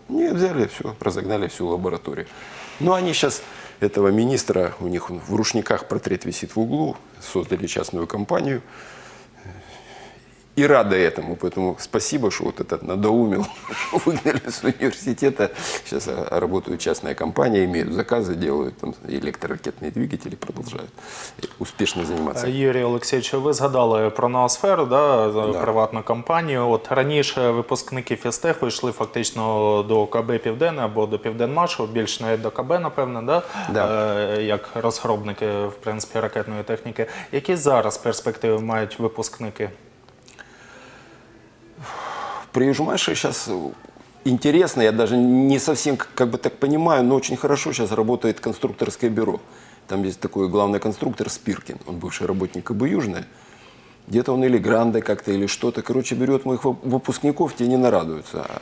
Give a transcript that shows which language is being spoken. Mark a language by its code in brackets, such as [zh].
[ru] Не, взяли все, разогнали всю лабораторию. Ну, они сейчас этого министра, у них в рушниках портрет висит в углу, создали частную компанию и рады этому, поэтому спасибо, что вот этот надоумил, выгнали с университета. Сейчас работают частная компания, имеют заказы, делают там электроракетные двигатели, продолжают успешно заниматься. [uk] Юрий Олексійович, ви згадали про Ноосфер, да, приватну компанію. От раніше випускники фізтех вийшли фактично до КБ Південне або до Південмашу, більш не до КБ, напевно, да? Да. Як розробники, в принципі, ракетної техніки. Які зараз перспективи мають випускники? [ru] Приезжаешь, сейчас интересно, я даже не совсем как бы так понимаю, но очень хорошо сейчас работает конструкторское бюро. Там есть такой главный конструктор Спиркин, он бывший работник КБ «Южная». Где-то он или Гранды как-то, или что-то, короче, берет моих выпускников, те не нарадуются.